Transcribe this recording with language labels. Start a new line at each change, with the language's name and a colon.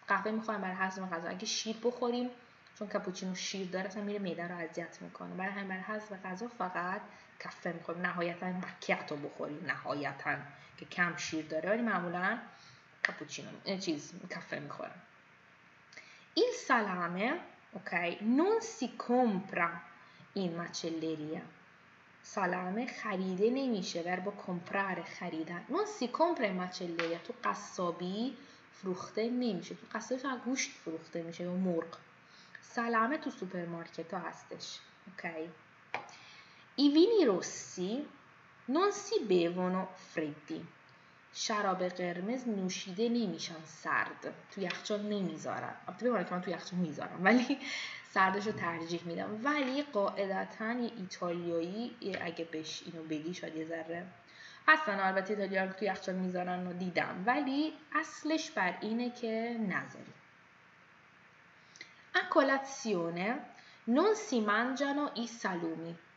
Persian: قهوه میخوریم برای هضم غذا. اگه شیر بخوریم چون کپوچینو شیر داره اصلا میره معده رو اذیت میکنه. برای همین برای هضم غذا فقط کافه میخوریم. نهایتا مکیاتو بخوریم نهایتا که کم شیر داره، ولی معمولا کپوچینو چیز کافه میخورم.
Italian: il salame اوکی non si compra in macelleria.
Persian: salame خریده نمیشه. verb comprare خریدن.
Italian: non si compra in macelleria
Persian: تو قصابی فروخته نمیشه. تو قصابی فقط گوشت فروخته میشه یا مرغ. سلامه تو سوپرمارکت ها هستش. اوکی.
Italian: I vini rossi non si bevono freddi.
Persian: شراب قرمز نوشیده نمیشن سرد. تو یخچال نمیذارن. البته ببینید که من تو یخچال میذارم ولی سردش رو ترجیح میدم. ولی قاعدتا یه ایتالیایی اگه بهش اینو بگی شاید یه ذره. اصلا البته ایتالیا رو تو یخچال میذارن و دیدم. ولی اصلش بر اینه که نذاری.
Italian: A colazione non si mangiano i salumi.